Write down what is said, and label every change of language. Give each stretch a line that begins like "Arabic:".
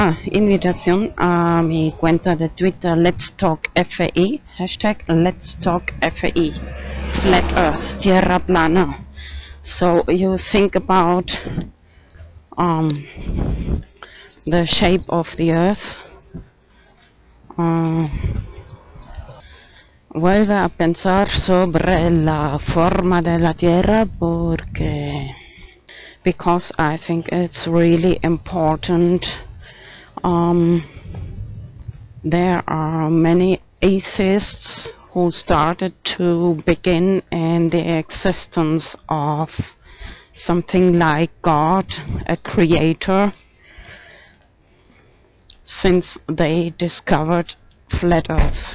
Spanish: Invitación a mi cuenta de Twitter, Let's Talk FI, hashtag Let's Talk FI, Flat Earth, Tierra Plana.
English: So you think about the shape of the Earth.
Spanish: Vuelve a pensar sobre la forma de la Tierra porque...
English: Because I think it's really important. There are many atheists who started to begin in the existence of something like God, a creator, since they discovered Flat Earth.